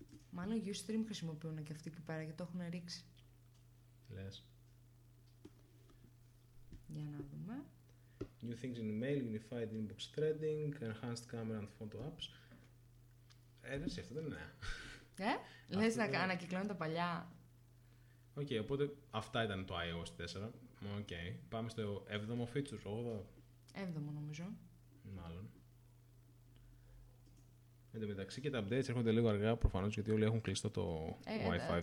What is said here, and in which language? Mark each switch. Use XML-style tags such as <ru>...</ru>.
<el>Μάλλον Ustream χρησιμοποιούν και αυτοί εκεί πέρα γιατί το έχουν ρίξει. Λες. Για να δούμε.</el> <en>New things in mail, unified inbox threading, enhanced camera and photo apps.</en> <el>Έτσι, αυτό δεν είναι νέα. Λες να ανακυκλώνουν τα παλιά. Οκ, okay, οπότε αυτά ήταν το iOS 4. Οκ. Okay. Πάμε στο 7ο feature, 8ο. 7ο νομίζω. Μάλλον. Εν τω μεταξύ και τα updates έρχονται λίγο αργά προφανώς γιατί όλοι έχουν κλειστό το Wi-Fi τους.</el>